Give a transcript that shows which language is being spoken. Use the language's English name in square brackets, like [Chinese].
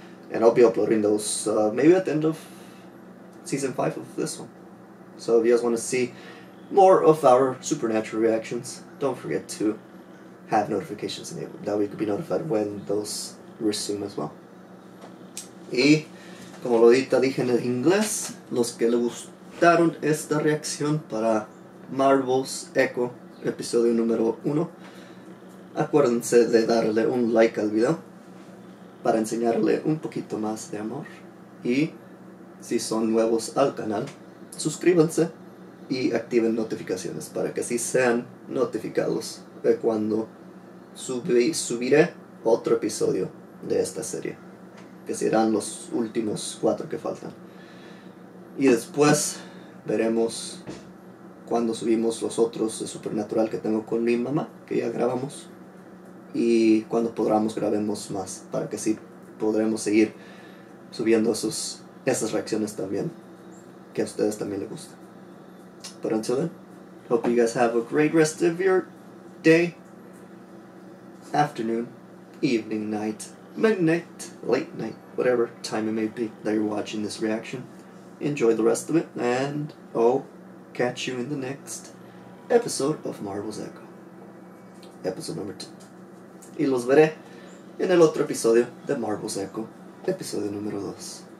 [English] And I'll be uploading those maybe at the end of season 5 of this one. So if you guys want to see more of our Supernatural reactions, don't forget to have notifications enabled. That way you could be notified when those resume as well. [Spanish] Y como lo dije en inglés, los que le gustaron esta reacción para Marvel's Echo, episodio número 1, acuérdense de darle un like al video para enseñarle un poquito más de amor. Y si son nuevos al canal, suscríbanse y activen notificaciones para que así sean notificados de cuando subiré otro episodio de esta serie, que serán los últimos 4 que faltan. Y después veremos cuando subimos los otros de Supernatural que tengo con mi mamá, que ya grabamos. Y cuando podamos grabemos más, para que sí podremos seguir subiendo esas reacciones también, que a ustedes también les gusta. [English] But until then, hope you guys have a great rest of your day, afternoon, evening, night, midnight, late night, whatever time it may be that you're watching this reaction. Enjoy the rest of it, and I'll catch you in the next episode of Marvel's Echo, episode number 2. [Spanish] Y los veré en el otro episodio de Marvel's Echo, episodio número 2.